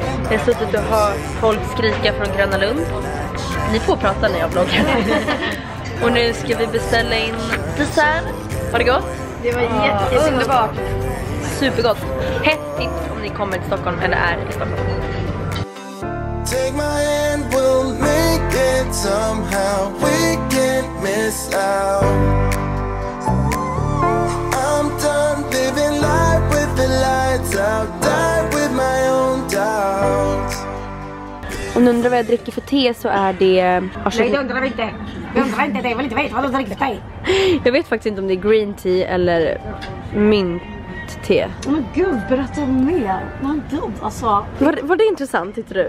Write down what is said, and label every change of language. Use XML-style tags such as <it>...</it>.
<sv>Jag har suttit och hört folk skrika från Gröna Lund. Ni får prata när jag bloggar. Och nu ska vi beställa in dessert. Var det gott? Det var jätteunderbart. Supergott. Hett tips om ni kommer till Stockholm eller är i Stockholm.</sv> <en>Take my hand, we'll make it somehow. We can't miss out. I'm done living life with the lights out. Died with my own doubts.</en> <sv>Om ni undrar vad jag dricker för te så är det... Nej, det undrar vi inte. Jag undrar inte det, jag vill inte veta vad du dricker för te. Jag vet faktiskt inte om det är</sv> <en>green tea</en> <sv>eller mint te. Oh, men gud, berätta mer. Men gud, alltså. Var det intressant, tyckte du?</sv>